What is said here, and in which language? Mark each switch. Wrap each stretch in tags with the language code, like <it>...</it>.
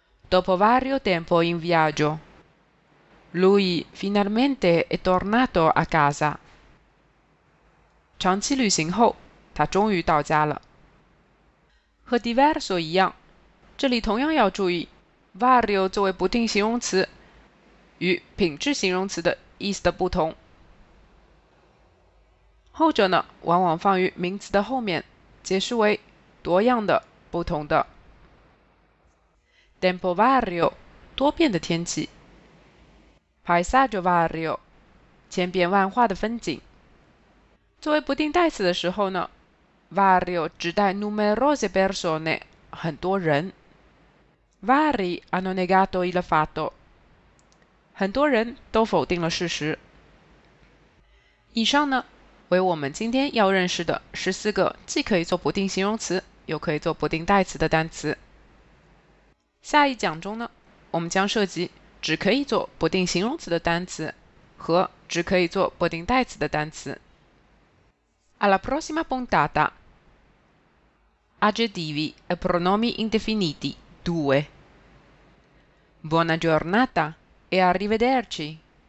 <it>Dopo vario tempo in viaggio, lui finalmente è tornato a casa.</it> <zh>长期旅行后，他终于到家了。和 diverso 一样，这里同样要注意 vario 作为不定形容词与品质形容词的意思的不同。后者呢，往往放于名词的后面，解释为多样的、不同的。</zh> <it>Tempo vario，</it> <zh>多变的天气。</zh> <it>Paesaggio vario，</it> <zh>千变万化的风景。作为不定代词的时候呢 ，vario 指代</zh> <it>numerose persone，</it> <zh>很多人。</zh> <it>Vari hanno negato il fatto，</it> <zh>很多人都否定了事实。以上呢，为我们今天要认识的14个既可以做不定形容词，又可以做不定代词的单词。下一讲中呢，我们将涉及只可以做不定形容词的单词和只可以做不定代词的单词。</zh> <it>Alla prossima puntata. Aggettivi e pronomi indefiniti 2. Buona giornata e arrivederci.</it>